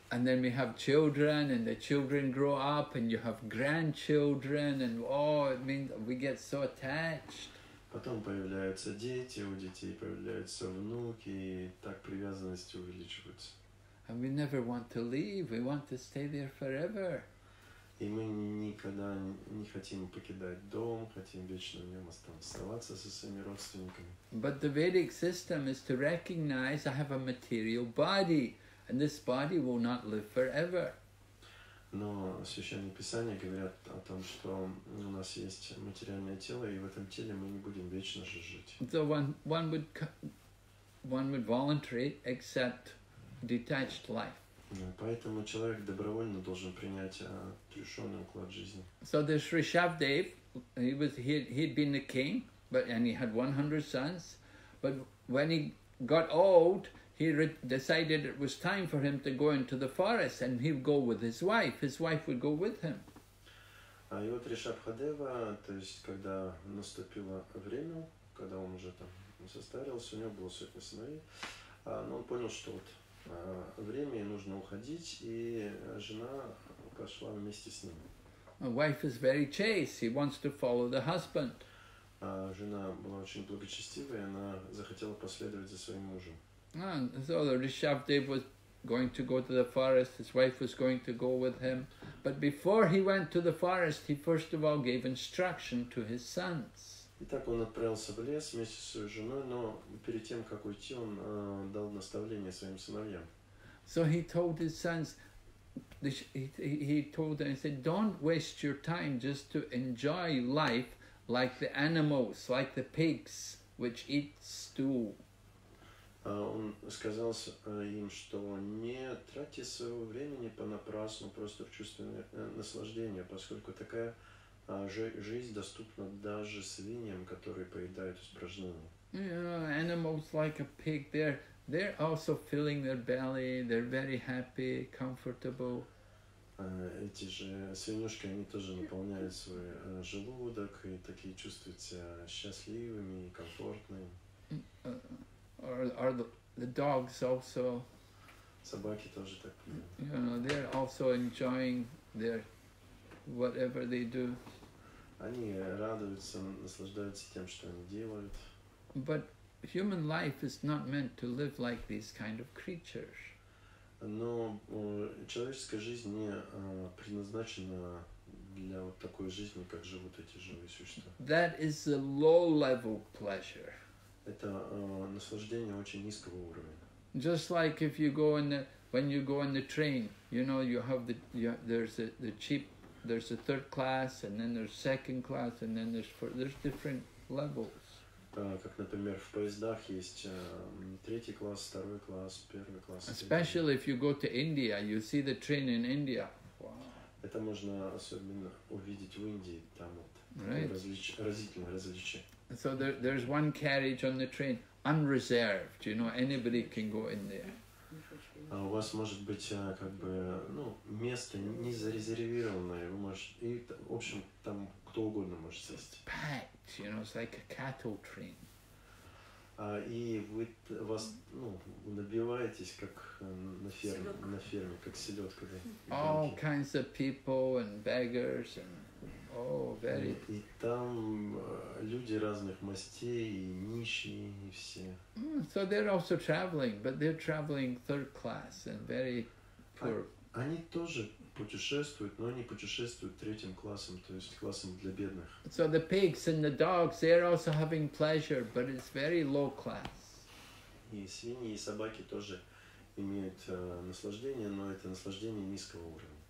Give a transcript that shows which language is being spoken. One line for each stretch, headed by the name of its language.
English: And then we have children, and the children grow up, and you have grandchildren, and it means we get so attached.
Russian: Потом появляются дети, у детей появляются внуки, и так привязанности увеличиваются.
English: And we never want to leave, we want to stay there forever.
Russian: И мы никогда не хотим покидать дом, хотим вечно в нем оставаться со своими родственниками.
English: But the Vedic system is to recognize I have a material body, and this body will not live forever.
Russian: Но Священные Писания говорят о том, что у нас есть материальное тело, и в этом теле мы не будем вечно же жить.
English: So one would voluntarily accept detached life.
Russian: Поэтому человек добровольно должен принять отрешенный уклад жизни.
English: So this Rishabhdev, he'd been the king, and he had 100 sons. But when he got old, he decided it was time for him to go into the forest, and he'd go with his wife. His wife would go with him.
Russian: И вот Ришабхадева, то есть когда наступило время, когда он уже там состарился, у него было сотни сыновей, но он понял, что вот время нужно уходить, и жена пошла вместе с ним.
English: A wife is very chaste. He wants to follow the husband.
Russian: Жена была очень благочестивая, она захотела последовать за своим мужем.
English: So Rishabhdev was going to go to the forest. His wife was going to go with him. But before he went to the forest, he first of all gave instruction to his sons.
Russian: Итак, он отправился в лес вместе с своей женой, но перед тем, как уйти, он дал наставление своим сыновьям.
English: So he told his sons, he told them, he said, don't waste your time just to enjoy life like the animals, like the pigs, which eat stool.
Russian: Он сказал им, что не тратьте своего времени понапрасну, просто в чувственное наслаждение, поскольку такая жизнь доступна даже свиньям, которые поедают испражнения.
English: Animals like a pig, they're also filling their belly, they're very happy, comfortable.
Russian: Эти же свинюшки, они тоже наполняют свой желудок и такие чувствуют себя счастливыми и комфортными.
English: Or the dogs also.
Russian: Собаки тоже так.
English: You know, they're also enjoying their whatever they do.
Russian: Они радуются, наслаждаются тем, что они делают.
English: But human life is not meant to live like these kind of creatures.
Russian: Но человеческая жизнь не предназначена для вот такой жизни, как живут эти живые существа.
English: That is a low-level pleasure.
Russian: Это наслаждение очень низкого уровня.
English: Just like if you go in the, when you go in the train, you know, you have the, you, there's a, the cheap, there's a third class, and then there's second class, and then there's four, there's different levels.
Russian: Как, например, в поездах есть третий класс, второй класс, первый класс.
English: Especially if you go to India, you see the train in India. Wow.
Russian: Это можно особенно увидеть в Индии, там вот,
English: right.
Russian: Разительное различие.
English: So there's one carriage on the train, unreserved, you know, anybody can go in there.
Russian: У вас может быть как бы, ну, место не зарезервированное, вы можете, и, в общем, там кто угодно может сесть.
English: It's packed, you know, it's like a cattle train.
Russian: И вы, вас, ну, набиваетесь как на ферме, как селёдка. Да,
English: all kinds of people and beggars and... Oh, very.
Russian: И там люди разных мастей, и нищие, и все.
English: So they're also traveling, but they're traveling third class and very poor.
Russian: Они тоже путешествуют, но они путешествуют третьим классом, то есть классом для бедных.
English: So the pigs and the dogs, they're also having pleasure, but it's very low class.
Russian: И свиньи, и собаки тоже имеют наслаждение, но это наслаждение низкого уровня.